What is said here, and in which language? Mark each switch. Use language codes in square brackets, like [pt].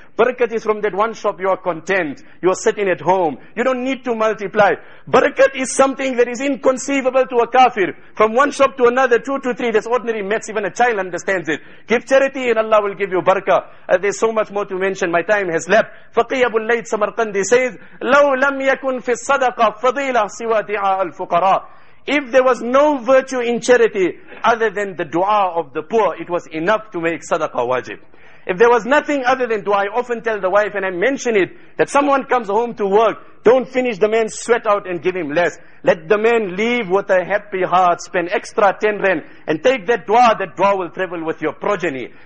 [en] Barakat is from that one shop, you are content. You are sitting at home. You don't need to multiply. Barakat is something that is inconceivable to a kafir. From one shop to another, two to three, that's ordinary maths, even a child understands it. Give charity and Allah will give you barakah. There's so much more to mention, my time has left. Faqih Abu Layth Samarqandi says, [ar] لَوْ لَمْ يَكُنْ فِي الصَّدَقَةَ فَضِيلَةَ سِوَى دِعَاءَ الْفُقَرَاءَ. [en] If there was no virtue in charity other than the dua of the poor, it was enough to make sadaqah wajib. If there was nothing other than dua, I often tell the wife, and I mention it, that someone comes home to work, don't finish the man's sweat out and give him less. Let the man leave with a happy heart, spend extra 10 rand, and take that dua will travel with your progeny.